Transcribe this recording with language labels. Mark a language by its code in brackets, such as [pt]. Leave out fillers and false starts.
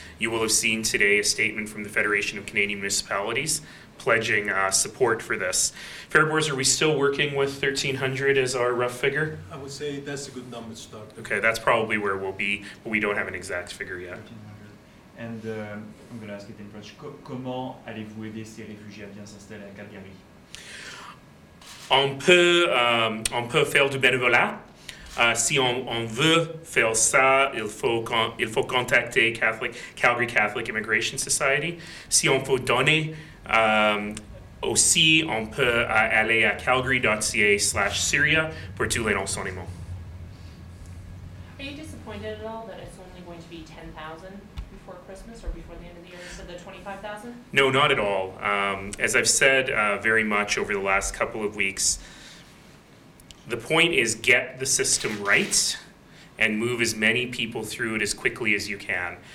[en] You will have seen today a statement from the Federation of Canadian Municipalities pledging support for this. Fariborz, are we still working with 1,300 as our rough figure? I would say that's a good number to start. Okay, that's probably where we'll be, but we don't have an exact figure yet. And I'm going to ask it in French. [fr] Comment allez-vous aider ces réfugiés à bien s'installer à Calgary? On peut faire du bénévolat. Si on veut faire ça, il faut contacter Catholic, Calgary Catholic Immigration Society. Si on veut donner aussi, on peut aller à calgary.ca/syria pour tous les renseignements. [en] Are you disappointed at all that it's only going to be 10,000 before Christmas or before the end of the year instead of 25,000? No, not at all. As I've said very much over the last couple of weeks, the point is get the system right and move as many people through it as quickly as you can.